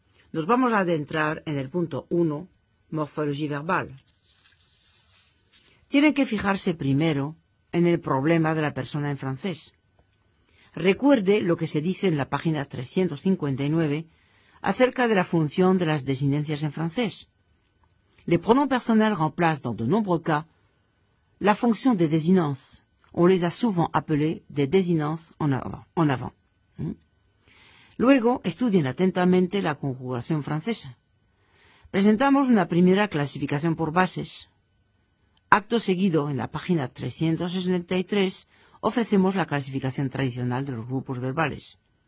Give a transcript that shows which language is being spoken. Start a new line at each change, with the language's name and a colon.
Spanish: Nos vamos a adentrar en el punto 1, morfología verbal. Tienen que fijarse primero en el problema de la persona en francés. Recuerde lo que se dice en la página 359 acerca de la función de las desinencias en francés.
French: Les pronoms personnels remplacent dans de nombreux cas la fonction des désinences. On les a souvent appelés des désinences en avant.
Spanish: Luego, estudien atentamente la conjugación francesa. Presentamos una primera clasificación por bases. Acto seguido, en la página 363, ofrecemos la clasificación tradicional de los grupos verbales.